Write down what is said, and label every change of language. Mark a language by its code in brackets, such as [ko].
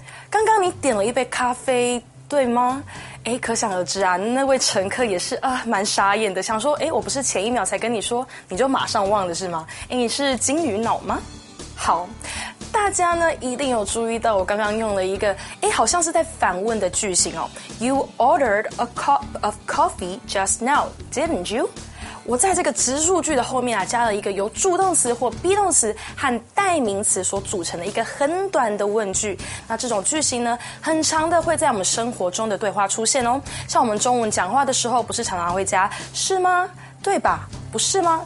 [zh] 刚刚你点了一杯咖啡，对吗？哎，可想而知啊，那位乘客也是蛮傻眼的，想说，哎，我不是前一秒才跟你说，你就马上忘了是吗？哎，你是金鱼脑吗？好，大家呢一定有注意到我刚刚用了一个哎，好像是在反问的句型哦。 [en] You ordered a cup of coffee just now, didn't you? [zh] 我在这个直述句的后面啊，加了一个由助动词或 be 动词和代名词所组成的一个很短的问句。那这种句型呢，很常的会在我们生活中的对话出现哦。像我们中文讲话的时候，不是常常会加是吗？对吧？不是吗？